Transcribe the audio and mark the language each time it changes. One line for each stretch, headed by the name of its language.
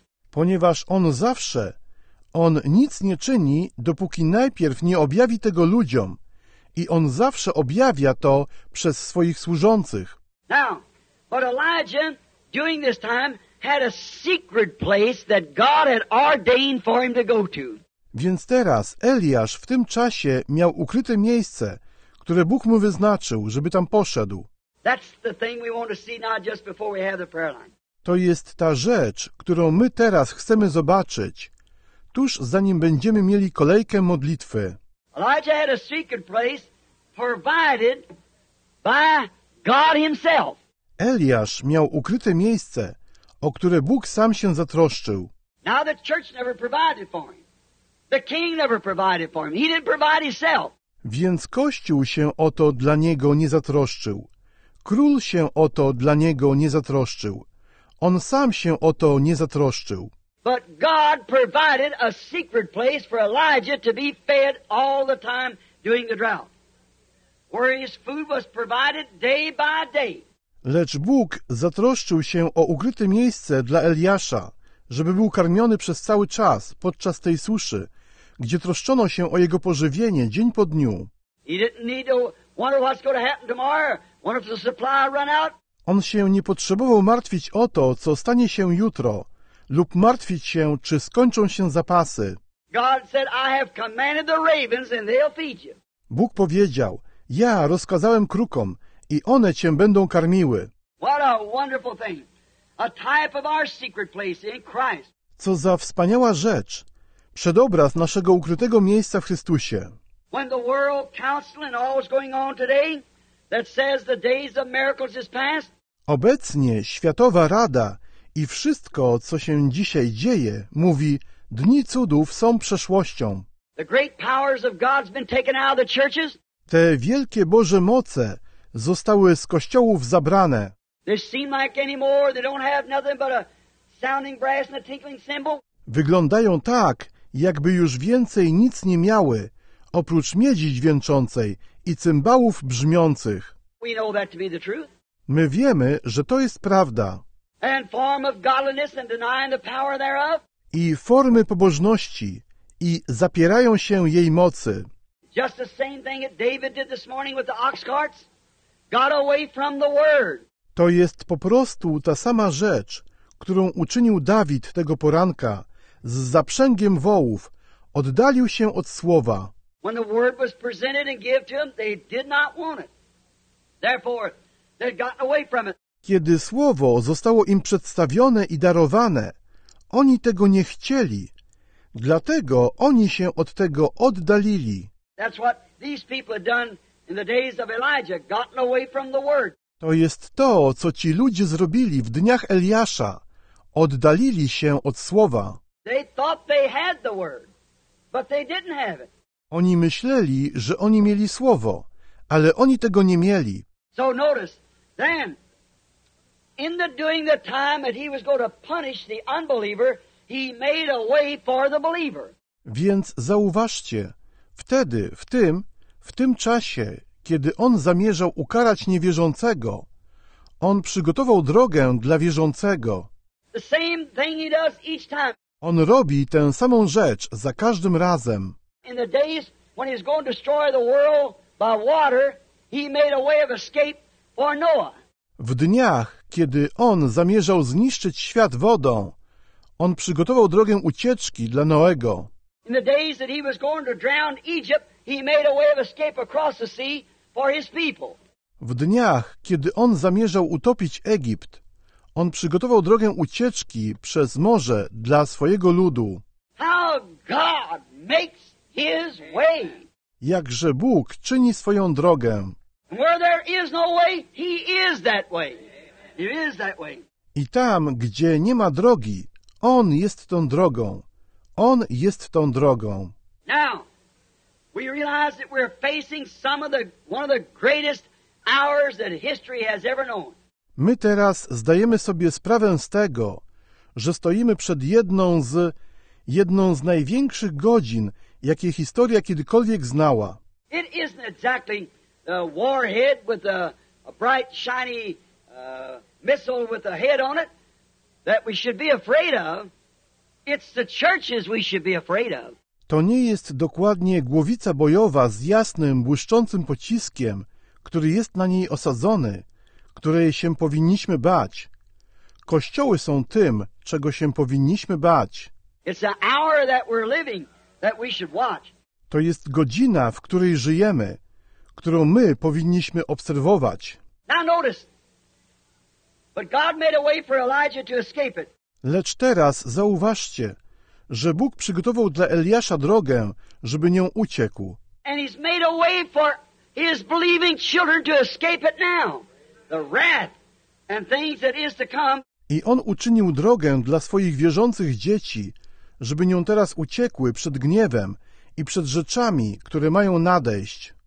Polish: Ponieważ On zawsze... On nic nie czyni, dopóki najpierw nie objawi tego ludziom. I On zawsze objawia to przez swoich służących.
English: Now, but Elijah, during this time, had a secret place that God had ordained for him to go to.
Polish: Więc teraz Eliasz w tym czasie miał ukryte miejsce, które Bóg mu wyznaczył, żeby tam poszedł.
English: That's the thing we want to see now just before we have the prayer line.
Polish: To jest ta rzecz, którą my teraz chcemy zobaczyć, tuż zanim będziemy mieli kolejkę modlitwy.
English: Elijah had a secret place provided by God himself.
Polish: Eliasz miał ukryte miejsce, o które Bóg sam się zatroszczył.
English: Now the church never provided for him. The king never provided for him. He didn't provide himself.
Polish: Więc Kościół się o to dla niego nie zatroszczył. Król się o to dla niego nie zatroszczył. On sam się o to nie zatroszczył.
English: But God provided a secret place for Elijah to be fed all the time during the drought, where his food was provided day by day.
Polish: Lecz Bóg zatroszczył się o ukryte miejsce dla Eliasza, żeby był karmiony przez cały czas podczas tej suszy, gdzie troszczono się o jego pożywienie dzień po dniu.
English: He didn't need to wonder what's going to happen tomorrow. Wonder if the supply run out.
Polish: On się nie potrzebował martwić o to, co stanie się jutro, lub martwić się, czy skończą się zapasy.
English: God said, I have commanded the ravens and they'll feed you.
Polish: Bóg powiedział, ja rozkazałem krukom i one cię będą karmiły.
English: What a wonderful thing. A type of our secret place in Christ.
Polish: Co za wspaniała rzecz. Przedobraz naszego ukrytego miejsca w Chrystusie.
English: When the world council and all is going on today that says the days of miracles is past.
Polish: Obecnie Światowa Rada i wszystko, co się dzisiaj dzieje, mówi, dni cudów są przeszłością.
English: The great powers of God's been taken out of the churches.
Polish: Te wielkie Boże moce zostały z kościołów zabrane.
English: They seem like anymore, they don't have nothing but a sounding brass and a tinkling cymbal.
Polish: Wyglądają tak, jakby już więcej nic nie miały, oprócz miedzi dźwięczącej i cymbałów brzmiących.
English: We know that to be the truth.
Polish: My wiemy, że to jest prawda.
English: And form of godliness and denying the power thereof.
Polish: I formy pobożności i zapierają się jej mocy.
English: Just the same thing that David did this morning with the ox carts. Got away from the word.
Polish: To jest po prostu ta sama rzecz, którą uczynił Dawid tego poranka z zaprzęgiem wołów. Oddalił się od słowa.
English: When the word was presented and given to him, they did not want it. Therefore, they've gotten away from it.
Polish: Kiedy słowo zostało im przedstawione i darowane, oni tego nie chcieli. Dlatego oni się od tego oddalili.
English: That's what these people had done in the days of Elijah, gotten away from the word.
Polish: To jest to, co ci ludzie zrobili w dniach Eliasza. Oddalili się od słowa.
English: They thought they had the word, but they didn't have it.
Polish: Oni myśleli, że oni mieli słowo, ale oni tego nie mieli.
English: So notice, then, in the doing the time that he was going to punish the unbeliever, he made a way for the believer.
Polish: Więc zauważcie, wtedy, w tym czasie, kiedy on zamierzał ukarać niewierzącego, on przygotował drogę dla wierzącego.
English: The same thing he does each time.
Polish: On robi tę samą rzecz za każdym razem.
English: In the days when he's going to destroy the world by water, he made a way of escape for Noah.
Polish: W dniach, kiedy on zamierzał zniszczyć świat wodą, on przygotował drogę ucieczki dla Noego.
English: In the days that he was going to drown Egypt, he made a way of escape across the sea for his people.
Polish: W dniach, kiedy on zamierzał utopić Egipt, on przygotował drogę ucieczki przez morze dla swojego ludu.
English: How God makes his way.
Polish: Jakże Bóg czyni swoją drogę.
English: And where there is no way, he is that way. He is that way.
Polish: I tam, gdzie nie ma drogi, on jest tą drogą. On jest tą drogą.
English: Now, we realize that we're facing one of the greatest hours that history has ever known.
Polish: My teraz zdajemy sobie sprawę z tego, że stoimy przed jedną z największych godzin, jakie historia kiedykolwiek znała.
English: It isn't exactly a warhead with a bright, shiny missile with a head on it that we should be afraid of. It's the churches we should be afraid of.
Polish: To nie jest dokładnie głowica bojowa z jasnym, błyszczącym pociskiem, który jest na niej osadzony, której się powinniśmy bać. Kościoły są tym, czego się powinniśmy bać.
English: It's the hour that we're living that we should watch.
Polish: To jest godzina, w której żyjemy, którą my powinniśmy obserwować.
English: Now notice, but God made a way for Elijah to escape it.
Polish: Lecz teraz zauważcie, że Bóg przygotował dla Eliasza drogę, żeby nią uciekł.
English: And he's made a way for his believing children to escape it now. The wrath and things that is to come.
Polish: I on uczynił drogę dla swoich wierzących dzieci, żeby nią teraz uciekły przed gniewem i przed rzeczami, które mają nadejść.